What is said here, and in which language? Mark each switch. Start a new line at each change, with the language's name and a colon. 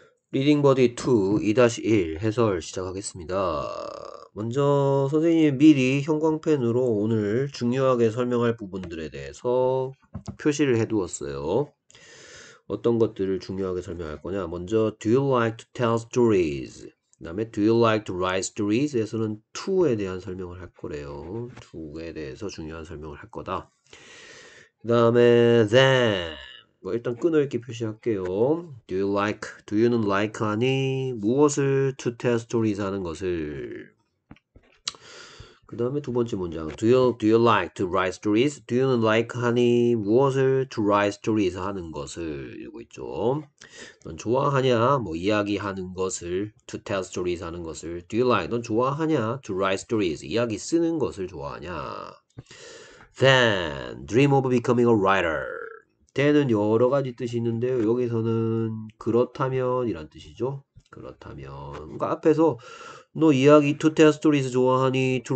Korean: 리딩버디 2, 2-1 해설 시작하겠습니다. 먼저 선생님 미리 형광펜으로 오늘 중요하게 설명할 부분들에 대해서 표시를 해두었어요. 어떤 것들을 중요하게 설명할 거냐? 먼저
English: Do you like to tell stories?
Korean: 그다음에
English: Do you like to write stories?
Korean: 에서는 2에 대한 설명을 할 거래요. 2에 대해서 중요한 설명을 할 거다. 그다음에 then 뭐 일단 끊어 읽기 표시할게요. Do you는 like 하니 무엇을
English: to tell stories
Korean: 하는 것을. 그 다음에 두 번째 문장.
English: Do you like to write stories?
Korean: Do you는 like 하니 무엇을
English: to write stories
Korean: 하는 것을 이러고 있죠. 넌 좋아하냐? 뭐 이야기하는 것을
English: to tell stories
Korean: 하는 것을.
English: Do you like?
Korean: 넌 좋아하냐?
English: To write stories.
Korean: 이야기 쓰는 것을 좋아하냐?
English: Then dream of becoming a writer.
Korean: 때는 여러 가지 뜻이 있는데요. 여기서는 그렇다면 이란 뜻이죠. 그렇다면. 그러니까 앞에서 너 이야기
English: to tell stories
Korean: 좋아하니?